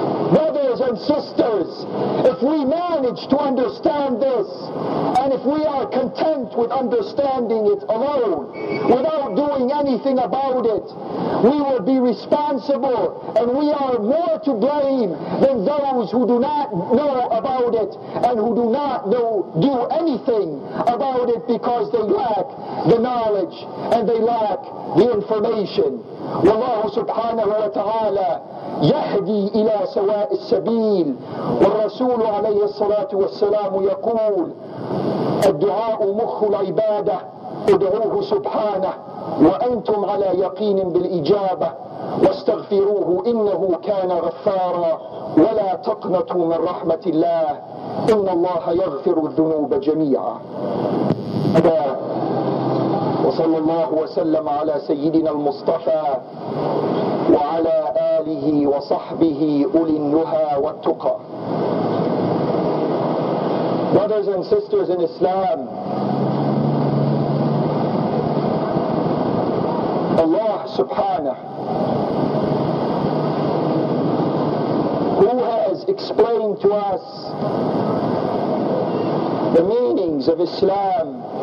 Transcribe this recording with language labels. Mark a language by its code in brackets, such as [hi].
[en] Brothers and sisters, if we manage to understand this, and if we are content with understanding it alone, without doing anything about it, we will be responsible, and we are more to blame than those who do not know about it, and who do not know, do anything about it, because they lack the knowledge, and they lack the information. [ar] والله سبحانه وتعالى يهدي إلى سواء السبيل. والرسول عليه الصلاة والسلام يقول: الدعاء مخ العبادة، ادعوه سبحانه وأنتم على يقين بالإجابة، واستغفروه إنه كان غفارا، ولا تقنطوا من رحمة الله، إن الله يغفر الذنوب جميعا. وصلى الله وسلم على سيدنا المصطفى وعلى آله وصحبه أولي النهى والتقى. [en] Brothers and sisters in Islam, Allah subhanahu, who has explained to us the meanings of Islam